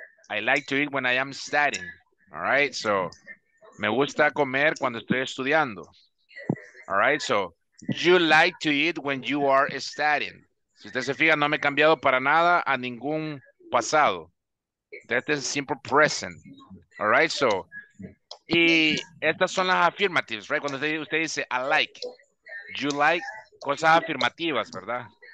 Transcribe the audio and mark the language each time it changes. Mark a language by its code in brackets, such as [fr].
[en] I like to eat when I am studying. All right, so, [es] me gusta comer cuando estoy estudiando. [en] All right, so, you like to eat when you are studying. [es] Si usted se fija, no me he cambiado para nada a ningún pasado. [en] That is simple present. All right, so. [es] Y estas son las [en] affirmatives, right? [es] Cuando usted dice, [en] I like. You like, [es] cosas afirmativas, ¿verdad?